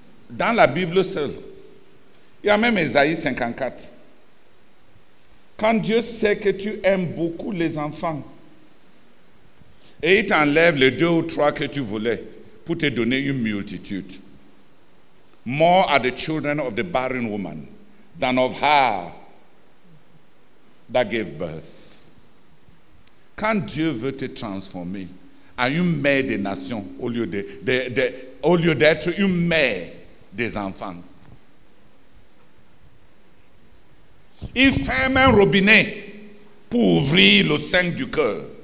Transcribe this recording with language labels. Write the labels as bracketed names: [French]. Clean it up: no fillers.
[French] Dans la Bible seule. Il y a même Ésaïe 54. Quand Dieu sait que tu aimes beaucoup les enfants et il t'enlève les 2 ou 3 que tu voulais pour te donner une multitude. [English] More are the children of the barren woman than of her that gave birth. [French] Quand Dieu veut te transformer en une mère des nations au lieu d'être une mère des enfants. Il ferme un robinet pour ouvrir le sein du cœur.